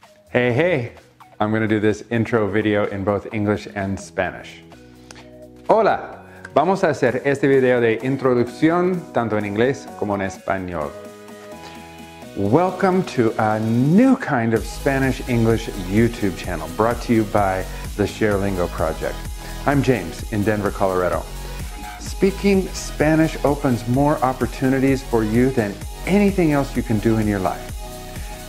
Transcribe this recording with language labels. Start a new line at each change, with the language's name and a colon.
English: Hey, hey, I'm going to do this intro video in both English and Spanish.
Spanish: Hola, vamos a hacer este video de introducción tanto en inglés como en español.
English: Welcome to a new kind of Spanish-English YouTube channel brought to you by the ShareLingo Project. I'm James in Denver, Colorado. Speaking Spanish opens more opportunities for you than anything else you can do in your life.